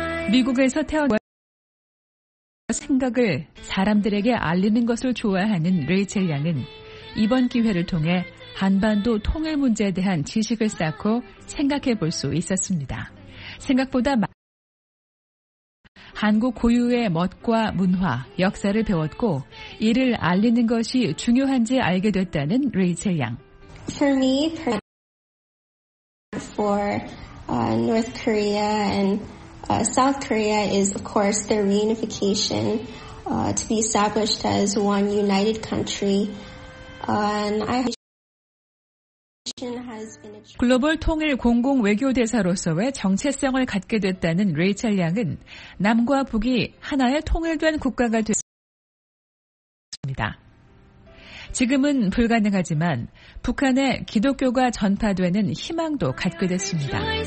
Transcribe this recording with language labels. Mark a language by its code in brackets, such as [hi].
[ko] 미국에서 태어난 생각을 사람들에게 알리는 것을 좋아하는 레이첼 양은 이번 기회를 통해 한반도 통일 문제에 대한 지식을 쌓고 생각해 볼 수 있었습니다. 생각보다 한국 고유의 멋과 문화, 역사를 배웠고 이를 알리는 것이 중요한지 알게 됐다는 레이첼 양. [en] For me, for North Korea and South Korea is of course their reunification to be established as one united country. And [ko] 글로벌 통일 공공 외교대사로서의 정체성을 갖게 됐다는 레이첼 양은 남과 북이 하나의 통일된 국가가 됐습니다. 지금은 불가능하지만 북한의 기독교가 전파되는 희망도 갖게 됐습니다.